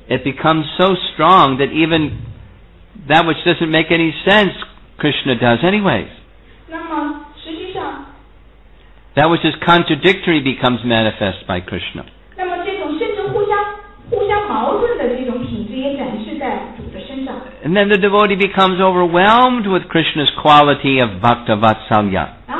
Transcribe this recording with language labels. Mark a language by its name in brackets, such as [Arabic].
[English] It becomes so strong that even that which doesn't make any sense, Krishna does anyways. [Chinese] 那么实际上 [English] that which is contradictory becomes manifest by Krishna. [Chinese] 那么这种甚至互相矛盾的这种品质也展示在主的身上。 [English] And then the devotee becomes overwhelmed with Krishna's quality of Bhakta Vatsalya.